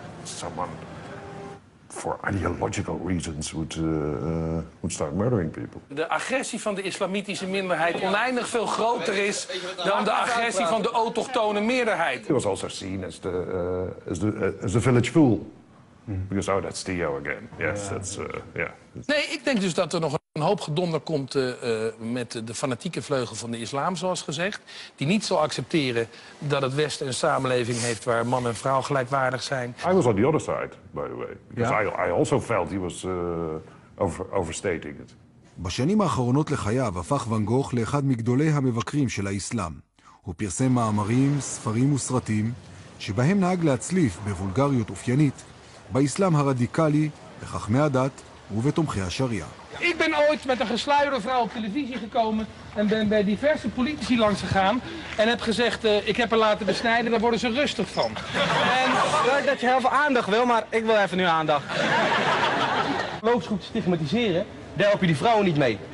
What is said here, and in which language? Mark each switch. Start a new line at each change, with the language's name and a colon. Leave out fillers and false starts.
English: someone for ideological reasons would start murdering people.
Dutch: De agressie van de islamitische minderheid oneindig veel groter is dan de agressie van de autochtone meerderheid.
English: He was also seen as the as the village fool. Because oh, that's Theo again. Yes, that's yeah.
Dutch: Nee, ik denk dus dat er nog een hoop gedonder komt met de fanatieke vleugel van de islam, zoals gezegd. Die niet zal accepteren dat het Westen een samenleving heeft waar man en vrouw gelijkwaardig zijn.
English: I was on the other side, by the way. Because I also felt he was overstating it.
Hebrew: בשנים האחרונות לחייו הפך ואן גוך לאחד מגדולי המבקרים של האסלאם. הוא פרסם מאמרים, ספרים וסרטים, שבהם נהג להצליף בוולגריות אופיינית, באסלאם הרדיקלי, בחכמי הדת ובתומכי השריעה.
Dutch: Ik ben ooit met een gesluierde vrouw op televisie gekomen en ben bij diverse politici langs gegaan en heb gezegd, ik heb haar laten besnijden, daar worden ze rustig van. En dat je heel veel aandacht wil, maar ik wil even nu aandacht. Loopsgroep stigmatiseren, daar help je die vrouwen niet mee.